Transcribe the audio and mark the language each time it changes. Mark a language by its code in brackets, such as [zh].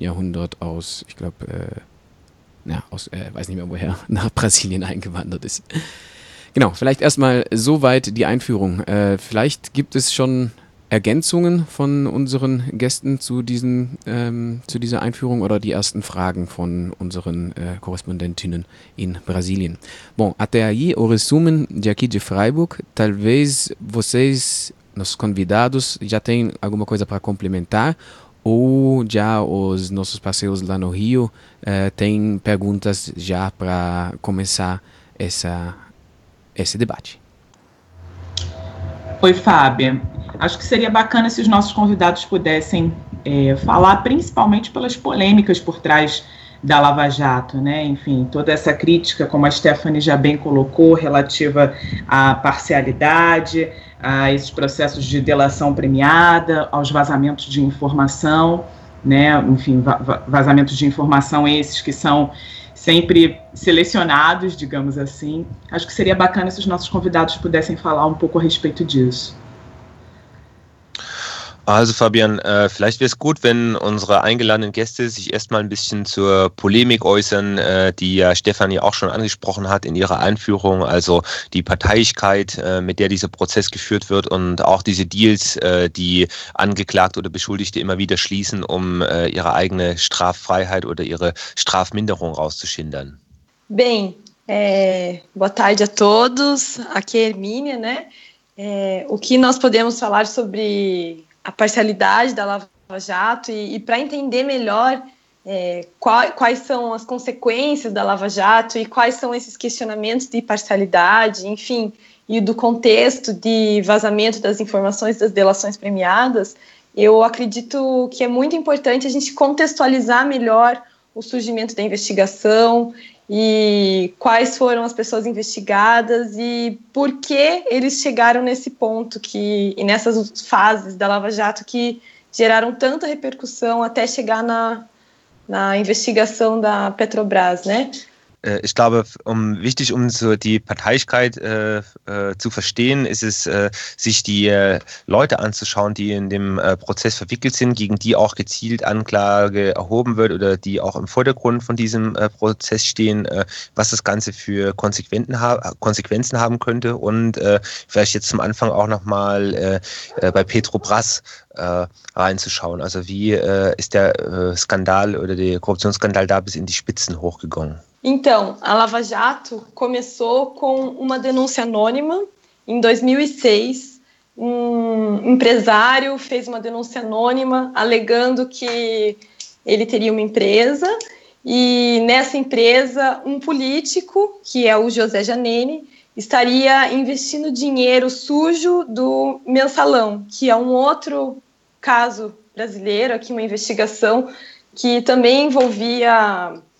[de] Jahrhundert aus, ich glaube, weiß nicht mehr woher, nach Brasilien eingewandert ist. Genau, vielleicht erstmal soweit die Einführung. Vielleicht gibt es schon Ergänzungen von unseren Gästen zu diesen, zu dieser Einführung oder die ersten Fragen von unseren Korrespondentinnen in Brasilien? [pt] Bom, até aí o resumo de aqui de Freiburg. Talvez vocês, nossos convidados, já tenham alguma coisa para complementar ou já os nossos parceiros lá no Rio têm perguntas já para começar esse debate. Oi, Fábio. Acho que seria bacana se os nossos convidados pudessem falar, principalmente pelas polêmicas por trás da Lava Jato, né? Enfim, toda essa crítica, como a Stephanie já bem colocou, relativa à parcialidade, a esses processos de delação premiada, aos vazamentos de informação, né? Enfim, vazamentos de informação esses que são sempre selecionados, digamos assim. Acho que seria bacana se os nossos convidados pudessem falar um pouco a respeito disso. [de] Also Fabian, vielleicht wäre es gut, wenn unsere eingeladenen Gäste sich erstmal ein bisschen zur Polemik äußern, die ja Stefanie auch schon angesprochen hat in ihrer Einführung, also die Parteiigkeit, mit der dieser Prozess geführt wird und auch diese Deals, die Angeklagte oder Beschuldigte immer wieder schließen, um ihre eigene Straffreiheit oder ihre Strafminderung rauszuschindern. [pt] Bem, boa tarde a todos, aqui é Hermínia, né? O que nós podemos falar sobre a parcialidade da Lava Jato e para entender melhor quais são as consequências da Lava Jato e quais são esses questionamentos de parcialidade, enfim, e do contexto de vazamento das informações das delações premiadas, eu acredito que é muito importante a gente contextualizar melhor o surgimento da investigação e quais foram as pessoas investigadas e por que eles chegaram nesse ponto e nessas fases da Lava Jato que geraram tanta repercussão até chegar na investigação da Petrobras, né? [de] Ich glaube, wichtig, um so die Parteiigkeit zu verstehen, ist es, sich die Leute anzuschauen, die in dem Prozess verwickelt sind, gegen die auch gezielt Anklage erhoben wird oder die auch im Vordergrund von diesem Prozess stehen, was das Ganze für Konsequenzen haben könnte und vielleicht jetzt zum Anfang auch nochmal bei Petrobras reinzuschauen. Also wie ist der Skandal oder der Korruptionsskandal da bis in die Spitzen hochgegangen? [pt] Então, a Lava Jato começou com uma denúncia anônima. Em 2006, um empresário fez uma denúncia anônima alegando que ele teria uma empresa e nessa empresa um político, que é o José Janene, estaria investindo dinheiro sujo do Mensalão, que é um outro caso brasileiro, aqui uma investigação que também envolvia